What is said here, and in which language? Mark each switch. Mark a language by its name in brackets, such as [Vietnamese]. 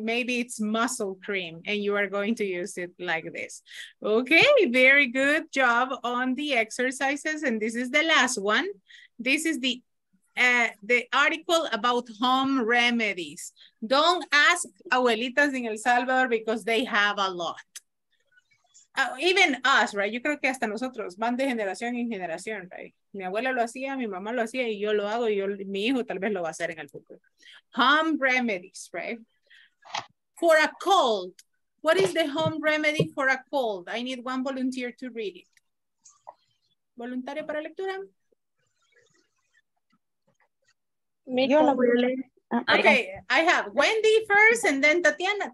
[English] Maybe it's muscle cream and you are going to use it like this. Okay, very good job on the exercises. And this is the last one. This is the article about home remedies. Don't ask abuelitas in El Salvador because they have a lot. Even us, right? [Spanish] Yo creo que hasta nosotros van de generación en generación, right? Mi abuela lo hacía, mi mamá lo hacía y yo lo hago y mi hijo tal vez lo va a hacer en el futuro. [English] Home remedies, right? For a cold, what is the home remedy for a cold? I need one volunteer to read it. [Spanish] ¿Voluntario para lectura? Yo lo voy a leer. [English] Okay, I have Wendy first and then Tatiana.